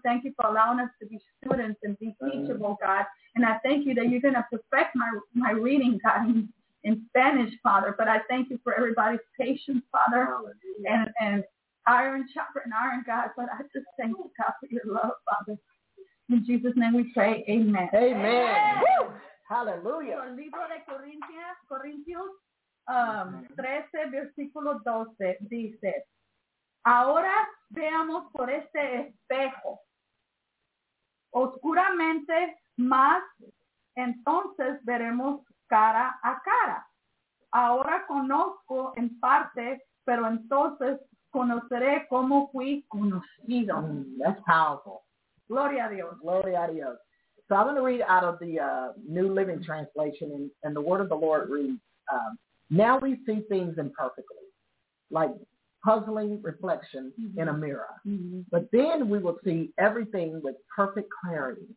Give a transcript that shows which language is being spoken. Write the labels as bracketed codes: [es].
[en] Thank you for allowing us to be students and be teachable, God. And I thank you that you're going to perfect my reading, God, in Spanish, Father. But I thank you for everybody's patience, Father, and iron sharpens iron, God. But I just thank you, God, for your love, Father. In Jesus' name we pray, amen. Amen. Amen. Woo! Hallelujah. [es] Libro de Corintios, 13:12 dice, ahora veamos por este espejo, oscuramente, más entonces veremos cara a cara. Ahora conozco en parte, pero entonces conoceré como fui conocido. [en] Mm, that's powerful. [es] Gloria a Dios. Gloria a Dios. [en] So I'm going to read out of the New Living Translation, and the word of the Lord reads, now we see things imperfectly, like puzzling reflection mm-hmm. in a mirror. Mm-hmm. But then we will see everything with perfect clarity.